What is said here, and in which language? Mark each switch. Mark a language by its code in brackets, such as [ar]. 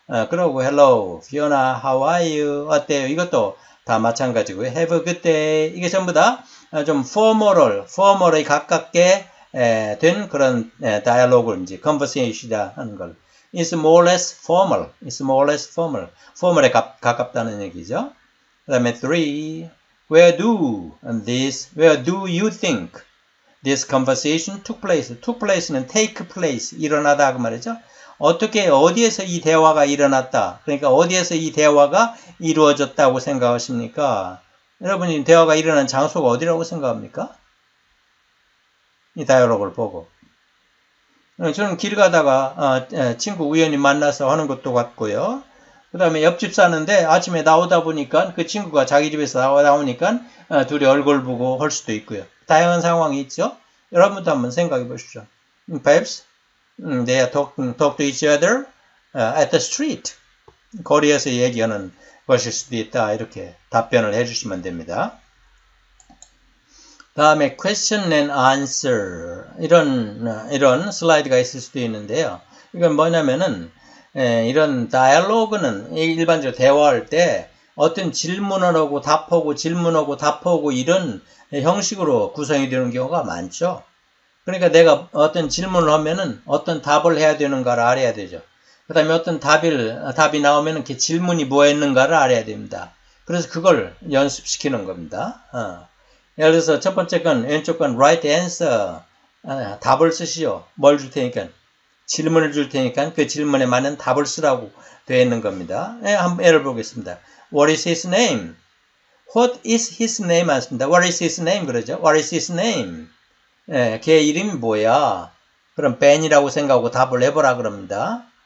[ko] 그러고 [en] Hello, Fiona, how are you? [ko] 어때요? 이것도 다 마찬가지고요. [en] Have a good day. [ko] 이게 전부 다좀 formal에 가깝게 된 그런 dialogue인지 conversation이다 하는 걸. [en] It's more or less formal. It's more or less formal. [ko] formal에 가깝다는 얘기죠. 그다음에 three. [en] Where do you think this conversation took place? [ko] Took place는 take place, 일어나다 그 말이죠. 어떻게, 어디에서 이 대화가 일어났다? 그러니까 어디에서 이 대화가 이루어졌다고 생각하십니까? 여러분이 대화가 일어난 장소가 어디라고 생각합니까? 이 다이얼로그를 보고. 저는 길 가다가 친구 우연히 만나서 하는 것도 같고요. 그 다음에 옆집 사는데 아침에 나오다 보니까 그 친구가 자기 집에서 나오니까 둘이 얼굴 보고 할 수도 있고요. 다양한 상황이 있죠. 여러분도 한번 생각해 보십시오. [en] Perhaps they are talk to each other at the street. [ko] 거리에서 얘기하는 것일 수도 있다. 이렇게 답변을 해 주시면 됩니다. 다음에 question and answer. 이런 슬라이드가 있을 수도 있는데요. 이건 뭐냐면은 이런 다이얼로그는 일반적으로 대화할 때 어떤 질문을 하고 답하고 질문하고 답하고 이런 형식으로 구성이 되는 경우가 많죠. 그러니까 내가 어떤 질문을 하면은 어떤 답을 해야 되는가를 알아야 되죠. 그다음에 어떤 답이 나오면은 그 질문이 뭐였는가를 알아야 됩니다. 그래서 그걸 연습시키는 겁니다. 예를 들어서 첫 번째 건 왼쪽 건 right answer. 답을 쓰시오. 뭘줄 테니까. 질문을 줄 테니까 그 질문에 맞는 답을 쓰라고 되어 있는 겁니다. 한번 예를 보겠습니다. [en] What is his name? What is his name? [ko] 맞습니다. [en] What is his name? [ko] 그러죠. [en] What is his name? [ko] 걔 이름이 뭐야? 그럼 Ben이라고 생각하고 답을 해보라 그럽니다.